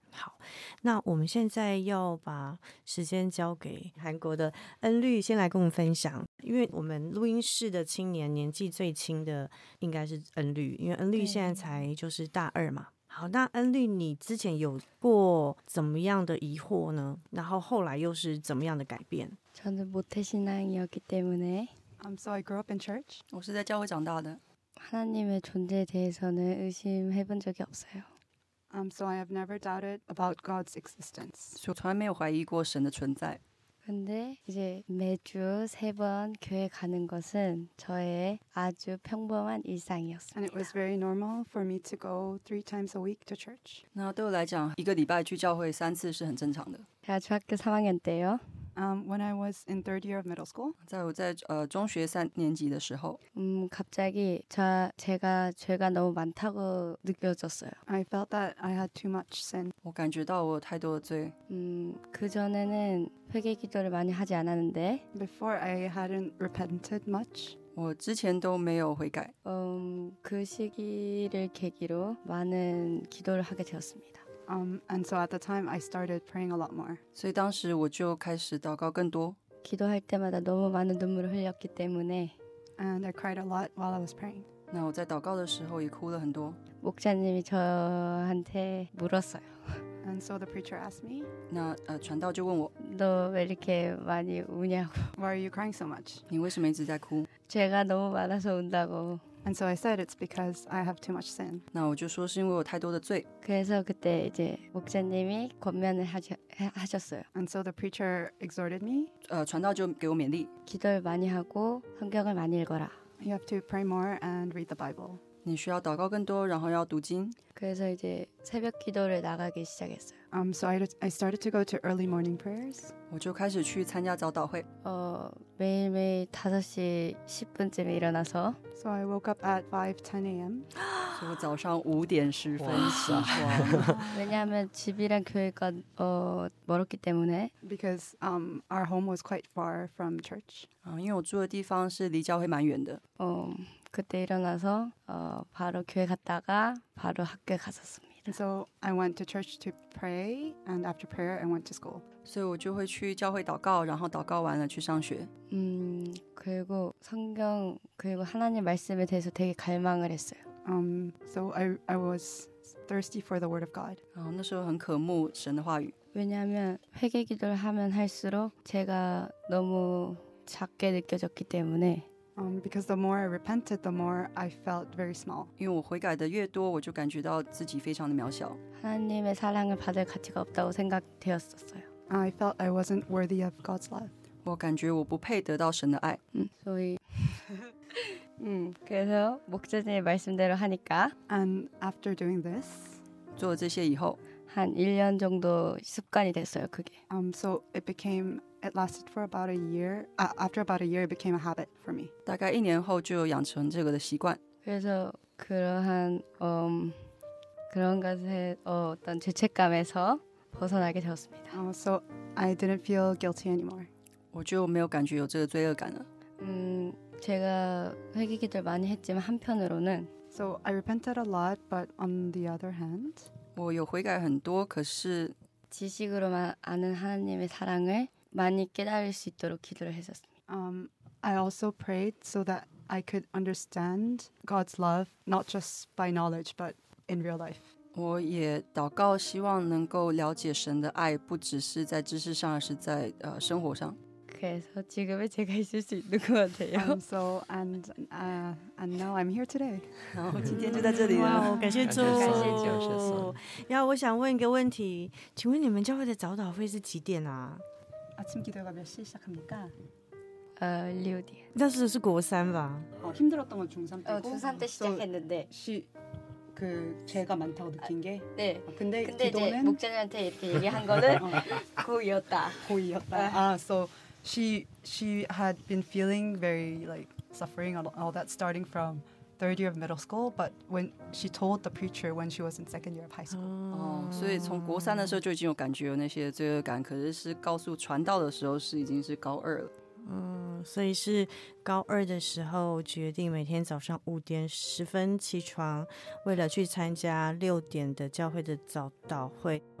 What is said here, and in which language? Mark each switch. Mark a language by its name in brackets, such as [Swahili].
[Chinese] 好，那我们现在要把时间交给韩国的恩律，先来跟我们分享。因为我们录音室的青年年纪最轻的应该是恩律，因为恩律现在才就是大二嘛。好，那恩律你之前有过怎么样的疑惑呢？然后后来又是怎么样的改变？ [Korean] 저는모태신앙이었기때문에 [English] I'm sorry, I grew up in church. [Chinese] 我是在教会长大的。 [Korean] 하나님의존재에대해서는의심해본적이없어요 [English] So I have never doubted about God's existence. [Korean] 저전혀 [Chinese] 没有怀疑过神的存在。 [Korean] 근데이제매주세번교회가는것은저의아주평범한일상이었습니다。 [English] And it was very normal for me to go 3 times a week to church. [Chinese] 那对我来讲，一个礼拜去教会三次是很正常的。 [Korean] 제가중학교3학년때요。 [English] When I was in third year of middle school, [Chinese] 在我在中学三年级的时候， [Korean] 갑자기제가죄가너무많다고느껴졌어요。 [English] I felt that I had too much sin. [Chinese] 我感觉到我有太多的罪。 [Korean] 그전에는회개기도를많이하지않았는데。 [English] Before I hadn't repented much. [Chinese] 我之前都没有悔改。 [Korean] 그시기를계기로많은기도를하게되었습니다。 [English] And so at the time, I started praying a lot more. [Chinese] 所以当时我就开始祷告更多。 [Korean] 기도할때마다너무많은눈물을흘렸기때문에 [English] And I cried a lot while I was praying. [Chinese] 那我在祷告的时候也哭了很多。 [Korean] 목사님이저한테물었어요。 [English] And so the preacher asked me. [Chinese] 那传道就问我。 [Korean] 너왜이렇게많이우냐고。 [English] Why are you crying so much? [Chinese] 你为什么一直在哭？ [Korean] 죄가너무많아서운다고。 [English] And so I said it's because I have too much sin. [Chinese] 那我就说是因为我太多的罪。 [Korean] 그래서그때이제목사님이권면을 하셨어요。 [English] And so the preacher exhorted me. [Chinese] 传道就给我勉励。 [Korean] 기도를많이하고성경을많이읽어라。 [English] You have to pray more and read the Bible. [Chinese] 你需要祷告更多，然后要读经。 [Korean] 그래서이제새벽기도를나가기시작했어요。 [English] So I started to go to early morning prayers. [Chinese] 我就开始去参加早祷会。 [Korean] 매일매일5시10분쯤에일어나서。 [English] So I woke up at 5:10 a.m. [Chinese] 我早上五点十分起床。 [Korean] 왜냐하면집이랑교회가멀었기때문에。 [English] Because our home was quite far from church. [Chinese] 因为我住的地方是离教会蛮远的。 [Korean] 그때일어나서바로교회갔다가바로학교에갔었습니다。 [English] And so I went to church to pray, and after prayer, I went to school. So I [Chinese] 就会去教会祷告，然后祷告完了去上学。 [Korean] 그리고성경그리고하나님말씀에대해서되게갈망을했어요。 [English] So I was thirsty for the word of God. [Chinese] 那时候很渴慕神的话语。 [Korean] 왜냐하면회개기도를하면할수록제가너무작게느껴졌기때문에。 [English] Because the more I repented, the more I felt very small. [Chinese] 因为我悔改的越多，我就感觉到自己非常的渺小。 [Korean] 하나님의사랑을받을가치가없다고생각되었었어요。 [English] I felt I wasn't worthy of God's love. [Chinese] 我感觉我不配得到神的爱。 [Korean] 所以，그래서목사님의말씀대로하니까。 [English] And after doing this, [Chinese] 做了这些以后， [Korean] 한1년정도습관이됐어요그게。 [English] So it became. It lasted for about a year. After about a year, it became a habit for me. [Chinese] 大概一年后就养成这个的习惯。 [Korean] 그래서그러한그런것에어떤죄책감에서벗어나게되었습니다。 [English] So I didn't feel guilty anymore. [Chinese] 我就没有感觉有这个罪恶感了。 [Korean] 제가회개기도를많이했지만한편으로는 [English] So I repented a lot, but on the other hand, [Chinese] 我有悔改很多，可是 [Korean] 지식으로만아는하나님의사랑을많이깨달을수있도록기도를했었습니다。 [English] I also prayed so that I could understand God's love, not just by knowledge, but in real life. [Chinese] 我也祷告，希望能够了解神的爱，不只是在知识上，而是在生活上。 [Korean] 그래서지금의제가있을수있는것같아요。 [English] So and now I'm here today. [Chinese] 然后今天就在这里了。哇，感谢主，感谢主。然后我想问一个问题，请问你们教会的早祷会是几点啊？ [Korean] 아침기도가몇시시작합니까 리오디 [Chinese] 那时是国三吧 [Korean] 힘들었던건중3때고 중3때시작했는데 그죄가많다고느낀게 네 근데 근데이제목자님한테이렇게얘기한거는 고의였다 [English] so she had been feeling very like suffering all that starting from third year of middle school, but when she told the preacher when she was in second year of high school. [Chinese] 所以从国三的时候就已经有感觉有那些罪恶感，可是是告诉传道的时候是已经是高二了。所以是高二的时候决定每天早上五点十分起床，为了去参加六点的教会的早祷会。